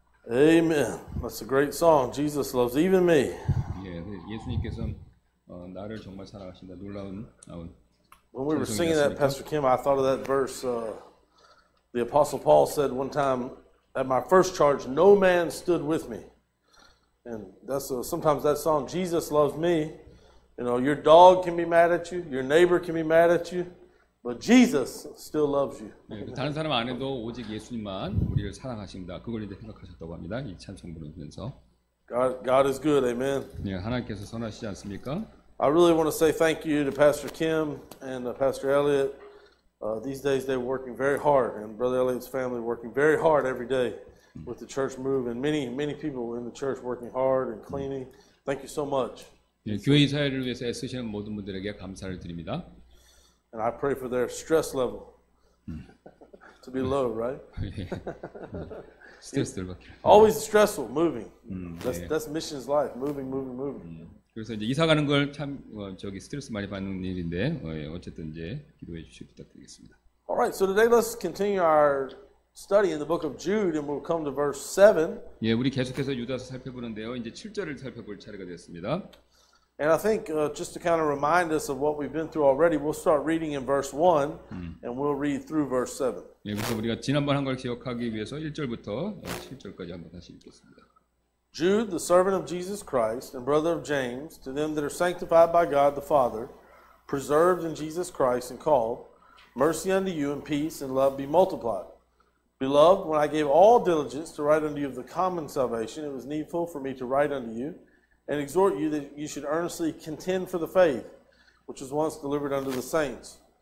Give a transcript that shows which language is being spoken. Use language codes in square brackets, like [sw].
[en] Amen. That's a great song. Jesus loves even me. [ko] 예, 예수님께서는 나를 정말 사랑하신다. 놀라운 나온. [en] When we were singing that, Pastor Kim, I thought of that verse. The Apostle Paul said one time, "At my first charge, no man stood with me." And that's sometimes that song, "Jesus loves me." You know, your dog can be mad at you, your neighbor can be mad at you, but Jesus still loves you. [ko] 네, 다른 사람 안 해도 오직 예수님만 우리를 사랑하신다. 그걸 이제 생각하셨다고 합니다. 이 찬송 부르면서. [en] God is good, amen. [ko] 네, 하나님께서 선하시지 않습니까? [en] I really want to say thank you to Pastor Kim and Pastor Elliot. These days they're working very hard, and Brother Elliot's family working very hard every day with the church move, and many, many people in the church working hard and cleaning. Thank you so much. [ko] 네, 교회 이사회를 위해서 애쓰시는 모든 분들에게 감사를 드립니다. [en] And I pray for their stress level to be low, right? [ko] 스트레스들 받기. [en] Always stressful, moving. That's mission's life, moving. [ko] 그래서 이제 이사 가는 걸 참 저기 스트레스 많이 받는 일인데 어쨌든 이제 기도해 주시길 부탁드리겠습니다. [en] All right, so today let's continue our study in the book of Jude, and we'll come to verse 7. [ko] 예, 우리 계속해서 유다서 살펴보는데요. 이제 7절을 살펴볼 차례가 됐습니다. [en] And I think just to kind of remind us of what we've been through already, we'll start reading in verse 1, and we'll read through verse 7. [ko] 예, 그래서 우리가 지난번 한 걸 기억하기 위해서 1절부터 7절까지 한번 다시 읽겠습니다. [en] Jude, the servant of Jesus Christ and brother of James, to them that are sanctified by God the Father, preserved in Jesus Christ and called, Mercy unto you and peace and love be multiplied. Beloved, when I gave all diligence to write unto you of the common salvation, it was needful for me to write unto you and exhort you that you should earnestly contend for the faith, which was once delivered unto the saints.